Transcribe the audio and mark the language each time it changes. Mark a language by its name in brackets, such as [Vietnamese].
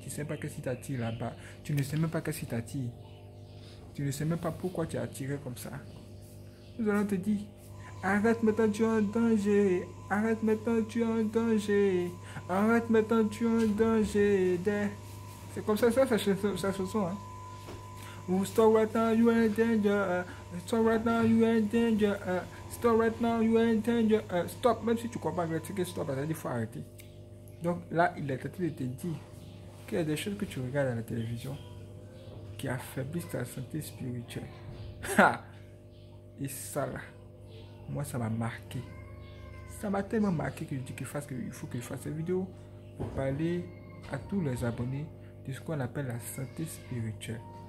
[French] Tu ne sais pas qu'est-ce qui t'attire là-bas. Tu ne sais même pas qu'est-ce qui t'attire. Tu ne sais même pas pourquoi tu es attiré comme ça. Nous allons te dire arrête maintenant, tu es en danger. Arrête maintenant, tu es en danger. Arrête maintenant, tu es en danger. C'est comme ça, sa chanson. Hein. [English] Stop right now, you are in danger. Stop right now, you are in danger. Stop right now, you are in danger. [French] Stop, même si tu comprends pas, c'est que stop, il faut arrêter. Donc là, il est tenté de te dire qu'il y a des choses que tu regardes à la télévision qui affaiblissent ta santé spirituelle. Ha! Et ça là, moi ça m'a marqué. Ça m'a tellement marqué que je dis qu'il faut qu'il fasse cette vidéo pour parler à tous les abonnés de ce qu'on appelle la santé spirituelle.